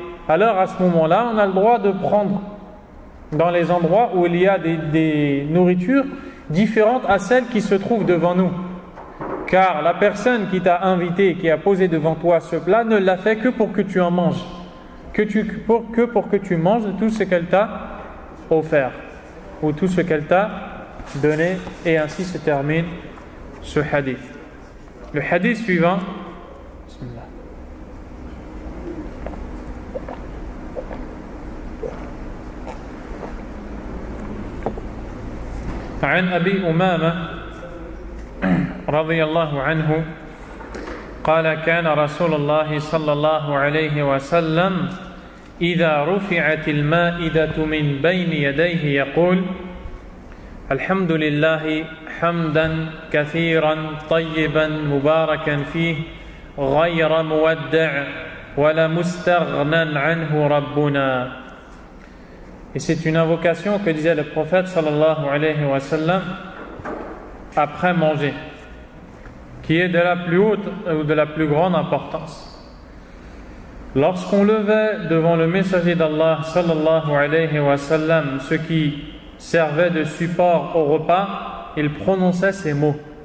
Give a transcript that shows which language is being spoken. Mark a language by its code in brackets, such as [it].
[fr] Alors à ce moment-là, on a le droit de prendre dans les endroits où il y a des nourritures différentes à celles qui se trouvent devant nous. Car la personne qui t'a invité, qui a posé devant toi ce plat, ne l'a fait que pour que tu en manges, que tu manges tout ce qu'elle t'a offert, ou tout ce qu'elle t'a donné. Et ainsi se termine ce hadith. Le hadith suivant, [ar] عن أبي أمامة رضي الله عنه قال كان رسول الله صلى الله عليه وسلم إذا رفعت المائدة من بين يديه يقول الحمد لله حمدا كثيرا طيبا مباركا فيه غير مودع ولا مستغنى عنه ربنا. [fr] Et c'est une invocation que disait le prophète sallallahu alayhi wa sallam après manger, qui est de la plus haute ou de la plus grande importance. Lorsqu'on levait devant le messager d'Allah sallallahu alayhi wa sallam ce qui servait de support au repas, il prononçait ces mots.